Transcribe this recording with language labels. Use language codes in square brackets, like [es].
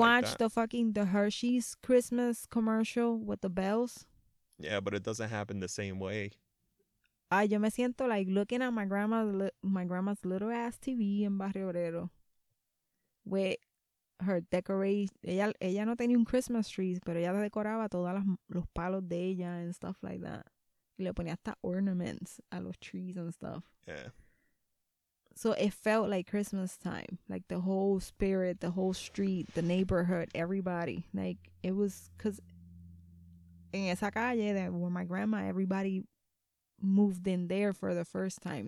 [en] watch that. The fucking the Hershey's Christmas commercial with the bells. Yeah, but it doesn't happen the same way. [es] Yo me siento [en] like looking at my grandma's little ass TV in Barrio Obrero with her decoration. [es] Ella no tenía un Christmas tree, pero ella decoraba todos los palos de ella [en] and stuff like that. [es] Y le ponía hasta ornaments a los trees [en] and stuff. Yeah. So it felt like Christmas time. Like the whole spirit, the whole street, the neighborhood, everybody. Like it was because [es] en esa calle [en] where my grandma, everybody moved in there for the first time.